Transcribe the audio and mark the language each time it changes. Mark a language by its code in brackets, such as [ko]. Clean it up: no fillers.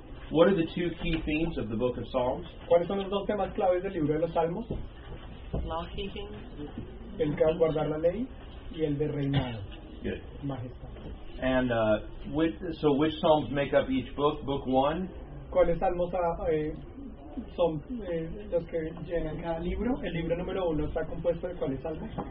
[en] What are the two key themes of the Book of Psalms? [es] ¿Cuáles son los dos temas claves del libro de los Salmos? [en] Law keeping. [es] El que guardar la ley y el de reinado. [en] Good. [es] Majestad. [en] And which Psalms make up each book? Book one. [es] ¿Cuáles salmos son los que llenan cada libro? El libro número uno está compuesto de ¿cuáles salmos?